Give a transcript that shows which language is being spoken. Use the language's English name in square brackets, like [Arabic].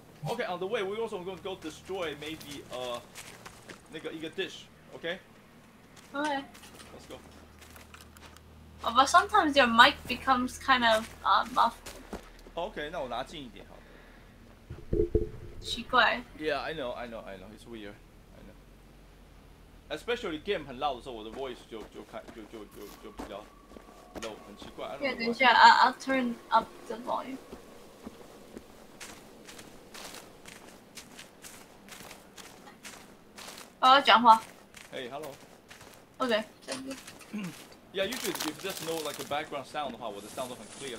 [English] Okay, on the way, we're also gonna go destroy maybe, a dish, okay? Okay. Let's go. Oh, but sometimes your mic becomes kind of, muffled. [Chinese] Okay, 那我拿近一点, 好。奇怪。 [English] Yeah, I know, it's weird. I know. Especially game [Chinese] 很loud的时候, 我的voice就比较 low, 很奇怪, [English] I don't know. Yeah, [Chinese] 等一下, [English] I'll turn up the volume. Hey, hello. Okay. Yeah, usually if there's no like a background sound, the sound is very clear.